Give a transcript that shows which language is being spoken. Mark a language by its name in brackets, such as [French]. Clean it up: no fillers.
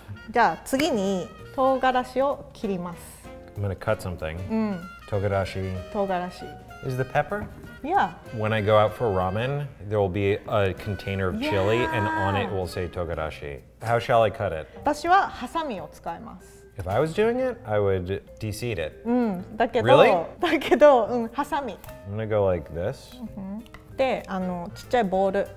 [Japanese] じゃあ次に唐辛子を切ります。 [English] I'm gonna cut something. [Japanese] うん。唐辛子。唐辛子。 [English] Is the pepper? Yeah. When I go out for ramen, there will be a container of chili、 yeah. and on it will say 唐辛子.How shall I cut it? [Japanese] 私はハサミを使います。 [English] If I was doing it, I would de-seed it. [Japanese] うん。だけど、 [English] really? [Japanese] だけど、うん、ハサミ。 [English] I'm gonna go like this.、 [Japanese] うん、で、あの、ちっちゃいボール。